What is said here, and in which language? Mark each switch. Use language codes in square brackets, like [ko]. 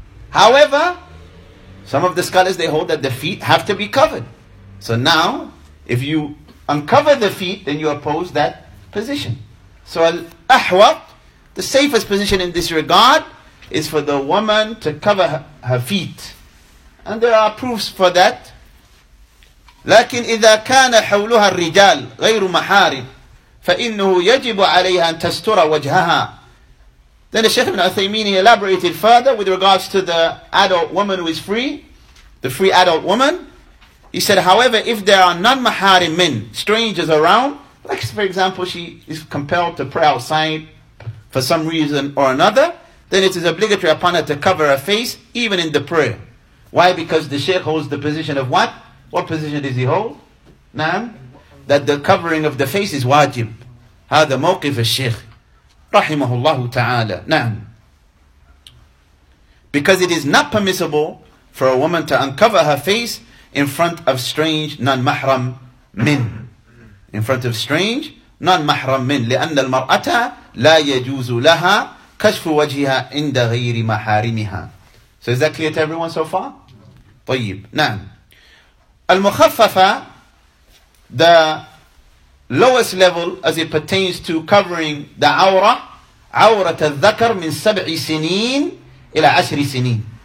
[en] However, some of the scholars, they hold that the feet have to be covered. So now, if you uncover the feet, then you oppose that position. So al-ahwat, the safest position in this regard, is for the woman to cover her feet. And there are proofs for that. [ar] لكن إذا كان حولها الرجال غير محارم فإنه يجب عليها أن تستر وجهها. [en] Then the Shaykh ibn Uthaymeen elaborated further with regards to the adult woman who is free, the free adult woman. He said, however, if there are non-mahari men, strangers around, like for example, she is compelled to pray outside for some reason or another, then it is obligatory upon her to cover her face, even in the prayer. Why? Because the Shaykh holds the position of what? What position does he hold? Naam? That the covering of the face is wajib. [ar] هذا موقف الشيخ. رحمه الله تعالى. نعم. [en] Because it is not permissible for a woman to uncover her face in front of strange non-mahram men. In front of strange non-mahram men. [ar] لأن المرأة لا يجوز لها كشف وجهها عند غير محارمها. [en] So is that clear to everyone so far? [ar] طيب. نعم. [en] المخففة, the lowest level as it pertains to covering the awrah, [ar] عورة الذكر من سبع سنين إلى عشر سنين.